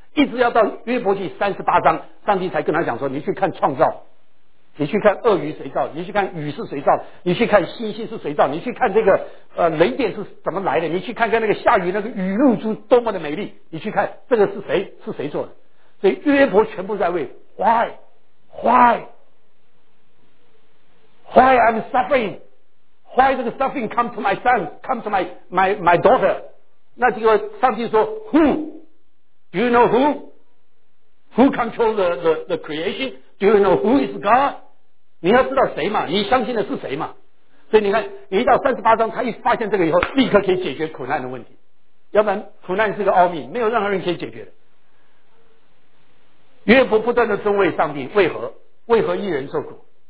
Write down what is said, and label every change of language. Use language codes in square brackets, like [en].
[zh] 一直要到约伯记三十八章，上帝才跟他讲说，你去看创造，你去看鳄鱼谁造，你去看雨是谁造，你去看星星是谁造，你去看这个雷电是怎么来的，你去看看那个下雨那个雨露珠多么的美丽，你去看这个是谁，是谁做的。所以约伯全部在为 [en] why I'm suffering, why this suffering come to my son, come to my daughter。 [zh] 那这个上帝说 [en] who do you know who control the creation,Do you know who is God? [zh] 你要知道谁嘛，你相信的是谁嘛。所以你看，你一到三十八章，他一发现这个以后，立刻可以解决苦难的问题。要不然苦难是个奥秘，没有任何人可以解决的。约伯不断的尊为上帝，为何一人受苦？